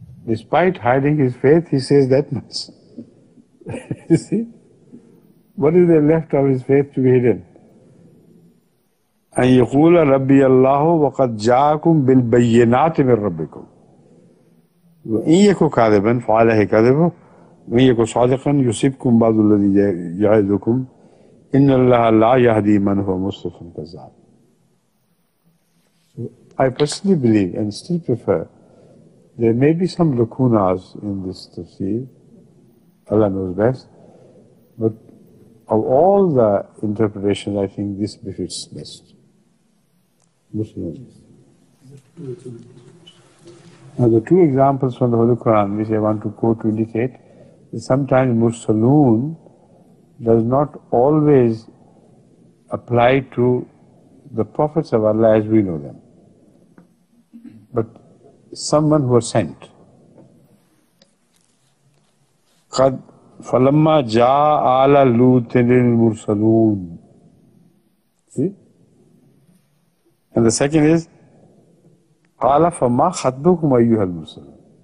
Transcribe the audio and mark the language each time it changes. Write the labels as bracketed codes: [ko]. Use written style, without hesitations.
[en] despite hiding his faith he says that much you see what is the left of his faith to be hidden [ar] اَن يَقُولَ رَبِّيَ اللَّهُ وَقَدْ جَاءَكُمْ بِالْبَيِّنَاتِ مِنْ رَبِّكُمْ وَإِنْ يَكُ كَاذِبًا فَعَلَيْهِ كَذِبُ وَإِنْ يَكُ صَادِقًا يُصِبْكُمْ بَعْضُ الَّذِي يَعِدُكُمْ إِنَّ اللَّهَ لَا يَهْدِي مَنْ هُوَ مُسْرِفٌ كَذَّابٌ. [en] I personally believe and still prefer there may be some lacunas in this tafsir, Allah knows best, but of all the interpretations, I think this befits best. Now the two examples from the Holy Quran which I want to quote to indicate is sometimes Mursaloon does not always apply to the prophets of Allah as we know them, but someone who was sent. [ar] فلما جاء آل لوط المرسلون. [en] See? And the second is [ar] قال فما خطبكم أيها المرسلون.